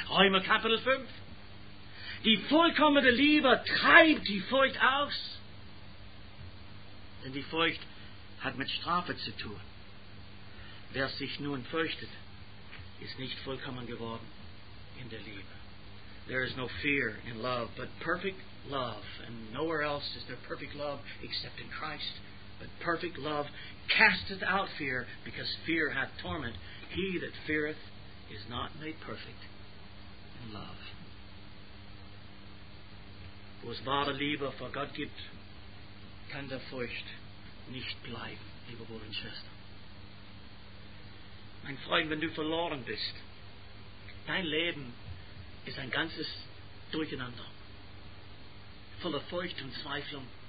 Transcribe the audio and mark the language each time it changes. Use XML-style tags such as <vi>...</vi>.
<de>Römer Kapitel 5. Die vollkommene Liebe treibt die Furcht aus. Denn die Furcht hat mit Strafe zu tun. Wer sich nun fürchtet, ist nicht vollkommen geworden in der Liebe.</de> <en>There is no fear in love, but perfect love. And nowhere else is there perfect love except in Christ. But perfect love casteth out fear, because fear hath torment. He that feareth is not made perfect in love.</en> <de>Wo es wahre Liebe vor Gott gibt, kann der Furcht nicht bleiben, lieber Bruder und Schwester. Mein Freund, wenn du verloren bist, dein Leben ist ein ganzes Durcheinander, voller Furcht und Zweiflung.</de>